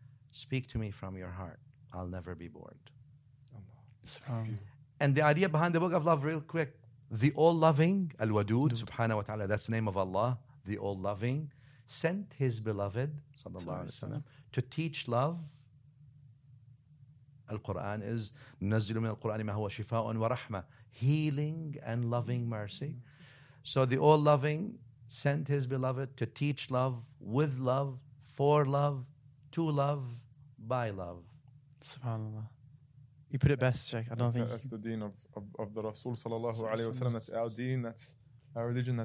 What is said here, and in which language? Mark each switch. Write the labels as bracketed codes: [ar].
[en] Speak to me from your heart. I'll never be bored. And the idea behind the Book of Love, real quick, the all-loving, Al-Wadud, subhanahu wa ta'ala, that's the name of Allah, the all-loving, sent his beloved, sallallahu alayhi wa sallam, to teach love. Al-Quran is [ar] نزل من القرآن ما هو شفاء ورحمة, [en] healing and loving mercy. So the all-loving sent his beloved to teach love, with love, for love, to love, by love. SubhanAllah. You put it best, Sheikh. That's the deen of the Rasul sallallahu alayhi wa sallam. That's our deen. That's our religion.